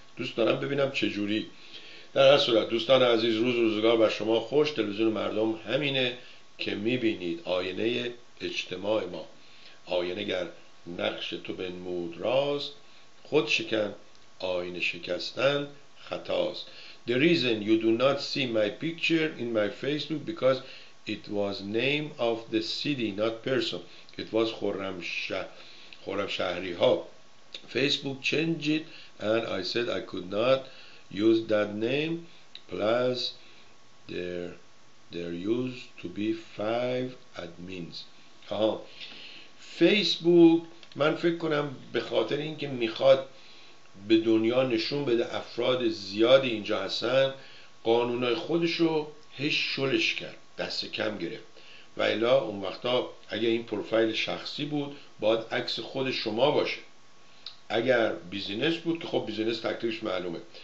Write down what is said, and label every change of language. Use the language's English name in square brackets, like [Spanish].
[Persian] دوست دارم ببینم چه جوری. در هر صورت دوستان عزیز، روز روزگار بر شما خوش. تلویزیون مردم همینه که میبینید، آینه اجتماع ما. آینه گر نقش تو بنمود راز، خود شکن آینه شکستن خطاست. [English] The reason you do not see my picture in my Facebook because it was name of the city, not person. It was Khurramshahri. Facebook changed it and I said I could not use that name. Plus there used to be 5 admins. [Persian] Facebook, من فکر کنم به خاطر اینکه میخواد به دنیا نشون بده افراد زیادی اینجا هستن، قانونای خودشو هش شلش کرد، دست کم گرفت. و الا اون وقتا اگه این پروفایل شخصی بود باید عکس خود شما باشه، اگر بیزینس بود که خب بیزینس تکلیفش معلومه.